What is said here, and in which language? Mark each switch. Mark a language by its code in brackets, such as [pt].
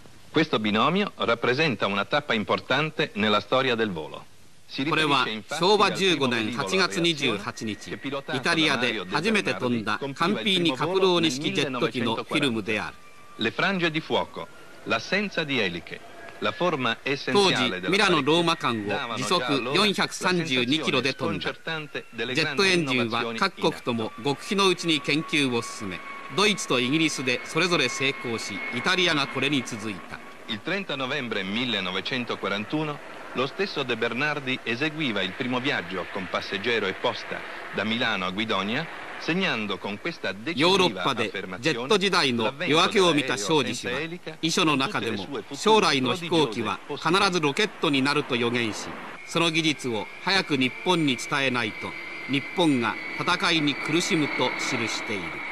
[it] Questo binomio rappresenta una tappa importante nella storia del volo. [ja] これは昭和15年8月28日イタリアで初めて飛んだカンピーニカプローニ式ジェット機のフィルムである。 [it] Le frange di fuoco, l'assenza di eliche. [ja] 当時ミラノローマ間を時速432キロで飛んだ。ジェットエンジンは各国とも極秘のうちに研究を進め、ドイツとイギリスでそれぞれ成功し、イタリアがこれに続いた。 [it] Il 30 novembre 1941 lo stesso De Bernardi eseguiva il primo viaggio con passeggero e posta da Milano a Guidonia, segnando con questa decisiva affermazione l'avvento dell'aereo senza elica e tutte le sue future prodigiose possibili. [ja] その技術を早く日本に伝えないと日本が戦いに苦しむと記している。